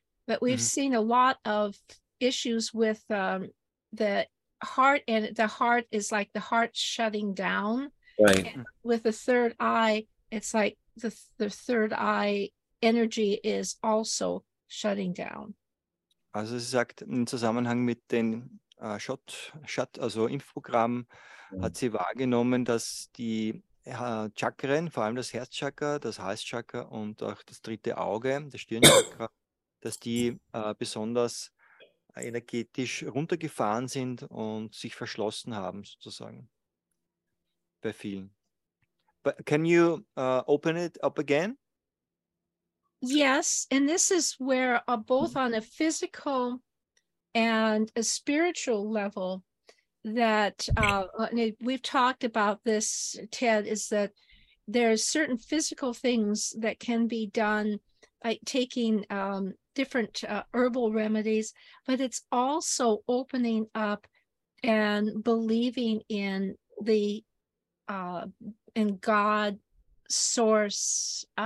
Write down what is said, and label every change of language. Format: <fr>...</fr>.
<en>But we've seen a lot of issues with the heart, and the heart is like the heart shutting down. Right. With the third eye, it's like the third eye energy is also shutting down.</en> <de>Also sie sagt, in Zusammenhang mit den Shot, also Impfprogramm, hat sie wahrgenommen, dass die Chakren, vor allem das Herzchakra, das Halschakra und auch das dritte Auge, das Stirnchakra, dass die besonders energetisch runtergefahren sind und sich verschlossen haben, sozusagen, bei vielen.</de> <en>But can you open it up again? Yes, and this is where both on a physical and a spiritual level that we've talked about this, Ted, is that there are certain physical things that can be done by taking different herbal remedies, but it's also opening up and believing in the in God, source,</en>